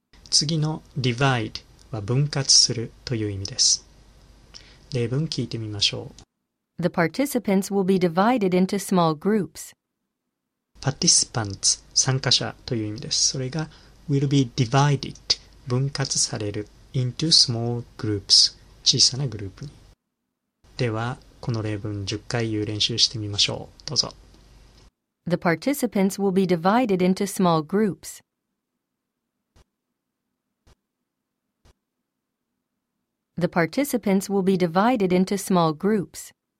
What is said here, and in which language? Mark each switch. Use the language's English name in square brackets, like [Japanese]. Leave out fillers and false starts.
[Japanese] Divide は分割するという意味です。例文聞いてみましょう。 [English] The participants will be divided into small groups. [Japanese] Participants 参加者という意味です。それが [English] will be divided [Japanese] 分割される [English] Into small groups [Japanese] 小さなグループに。ではこの例文10回言う練習してみましょう。どうぞ。 [English] The participants will be divided into small groups. The participants will be divided into small groups.